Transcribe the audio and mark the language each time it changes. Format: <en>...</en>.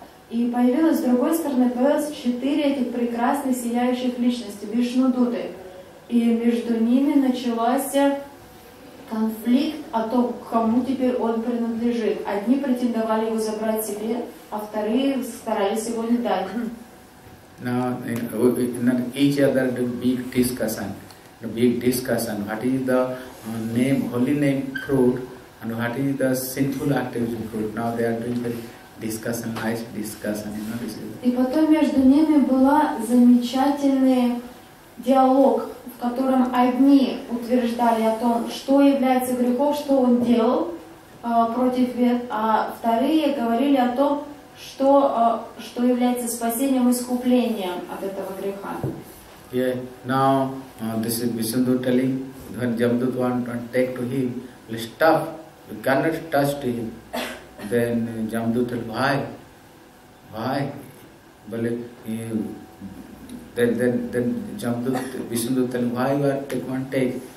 <ru>И появилось с другой стороны, появилось четыре этих прекрасных сияющих личности, Вишнудуты. И между ними начался конфликт о том, кому теперь он принадлежит. Одни претендовали его забрать себе, а вторые старались его не дать.</ru> <en>Now, each other do big discussion. The big discussion, what is the name, holy name, fruit, and what is the sinful activity fruit. Now they are doing the discussion, nice discussion, you know, this is...</en> <ru>И потом между ними была замечательный диалог, в котором одни утверждали о том, что является грехом, что он делал против вет, а вторые говорили о том, что является спасением, искуплением от этого греха.</ru> <en>Yeah, now this is Vishnu telling when Jamdut want to take to him, stop, you cannot touch to him. Then Jamdut tell, why? Well, then Jamdut, Vishnu tell, why you are take one take?</en>